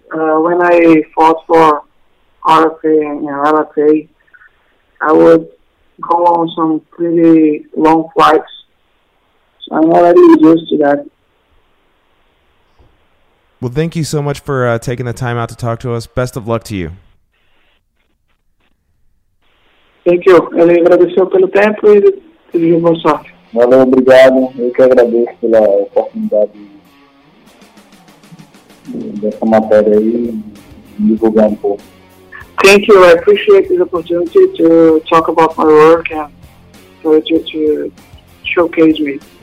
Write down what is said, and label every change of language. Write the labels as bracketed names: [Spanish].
[English] When I fought for RFA and LFA, I would go on some pretty long flights. So I'm already used to that. Well, thank you so much for taking the time out to talk to us. Best of luck to you. Thank you. [Portuguese] Ele agradeceu pelo tempo e desejou boa sorte. Valeu, obrigado. Eu que agradeço pela oportunidade dessa matéria aí, divulgar um pouco. [English] Thank you. I appreciate this opportunity to talk about my work and for you to showcase me.